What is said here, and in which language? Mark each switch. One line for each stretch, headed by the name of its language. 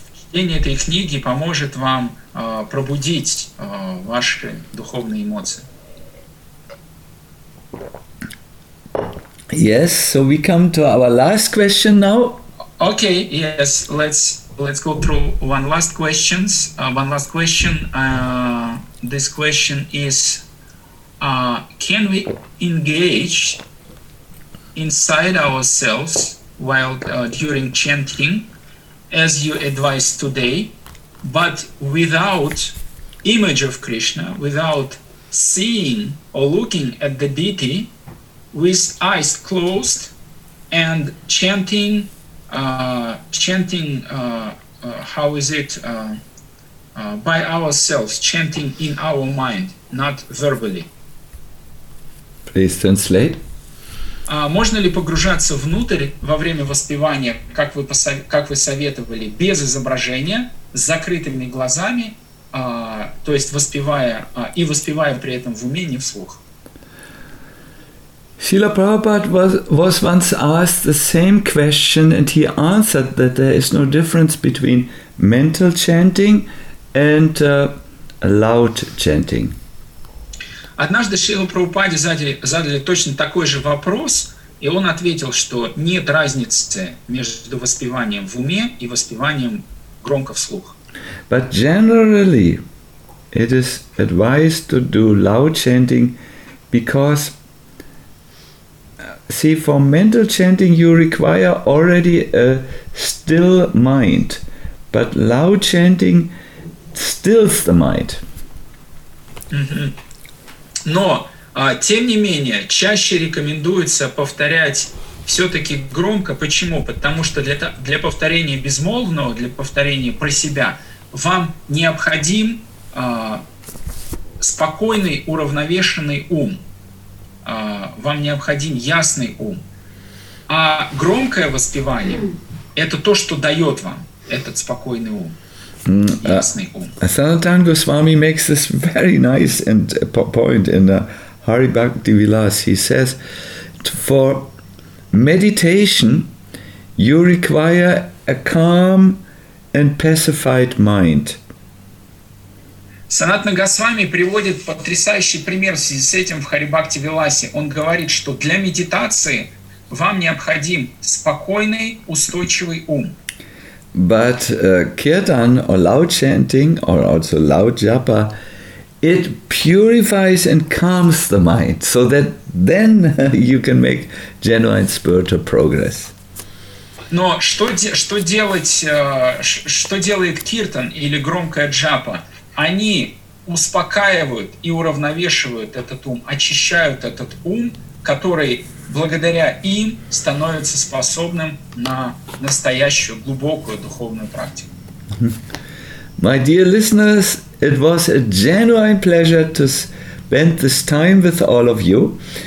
Russian: Чтение этой книги поможет вам пробудить ваши духовные эмоции.
English: Yes, so we come to our last question now. Okay, yes, let's go through one last questions. One last question. This question is, can we engage inside ourselves while during chanting, as you advise today, but without image of Krishna, without seeing or looking at the deity, with eyes closed and chanting, by ourselves, chanting in our mind, not verbally. Please translate.
Russian: Можно ли погружаться внутрь во время воспевания, как вы советовали, без изображения, с закрытыми глазами, то есть воспевая, и воспевая при этом в уме, не вслух?
English: Srila Prabhupada was once asked the same question, and he answered that there is no difference between mental chanting and loud chanting.
Russian: Однажды Шрила Прабхупаде задали точно такой же вопрос, и он ответил, что нет разницы между воспеванием в уме и воспеванием громко вслух.
English: But generally it is advised to do loud chanting because, see, for mental chanting you require already a still mind, but loud chanting stills the mind.
Russian: Но, тем не менее, чаще рекомендуется повторять все-таки громко. Почему? Потому что для повторения безмолвного, для повторения про себя, вам необходим спокойный, уравновешенный ум. Вам необходим ясный ум. А громкое воспевание – это то, что дает вам этот спокойный ум.
English: Sanatana Goswami makes this very nice point in Hari Bhakti Vilas. He says, for meditation, you require a calm and pacified mind.
Russian: Sanatana Goswami приводит потрясающий пример в связи с этим в Hari Bhakti Vilas. Он говорит, что для медитации вам необходим спокойный, устойчивый ум.
English: But kirtan, or loud chanting, or also loud japa, it purifies and calms the mind, so that then you can make genuine spiritual progress.
Russian: Но что делает киртан или громкая джапа? Они успокаивают и уравновешивают этот ум, очищают этот ум, который благодаря им становится способным на настоящую глубокую духовную практику.
English: My dear listeners, it was a genuine pleasure to spend this time with all of you.